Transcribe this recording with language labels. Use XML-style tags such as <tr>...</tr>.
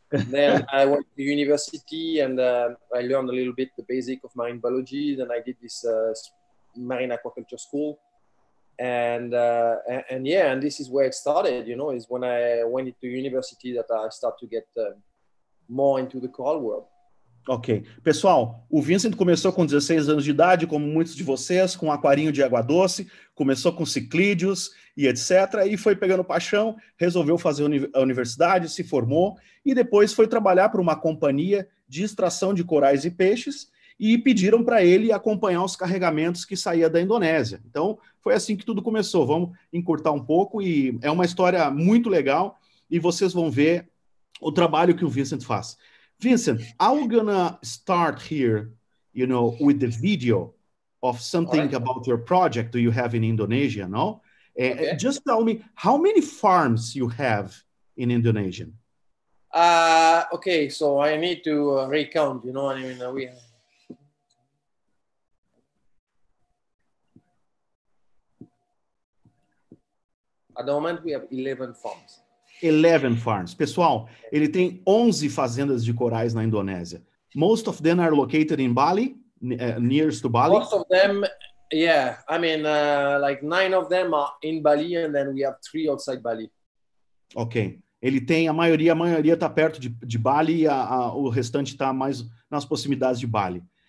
<en>Then I went to university and I learned a little bit the basic of marine biology. Then I did this marine aquaculture school. And yeah, and this is where it started, you know, is when I went to university that I started to get more into the coral world. Ok.</en> <pt>Pessoal, o Vincent começou com 16 anos de idade, como muitos de vocês, com um aquarinho de água doce, começou com ciclídeos e etc., e foi pegando paixão, resolveu fazer a universidade, se formou, e depois foi trabalhar para uma companhia de extração de corais e peixes, e pediram para ele acompanhar os carregamentos que saía da Indonésia. Então, foi assim que tudo começou. Vamos encurtar um pouco, e é uma história muito legal, e vocês vão ver o trabalho que o Vincent faz.</pt> <en>Vincent, I'm gonna start here, you know, with the video of something right. about your project that you have in Indonesia, no? Okay. Just tell me, how many farms you have in Indonesia? Okay, so I need to recount, you know what I mean? We have... At the moment, we have 11 farms. 11 farms.</en> <pt>Pessoal, ele tem 11 fazendas de corais na Indonésia.</pt> <en>Most of them are located in Bali, nearest to Bali. Most of them, yeah. I mean, like 9 of them are in Bali and then we have 3 outside Bali. Ok.</en> <pt>Ele tem a maioria está perto de Bali e o restante está mais nas proximidades de Bali.</pt>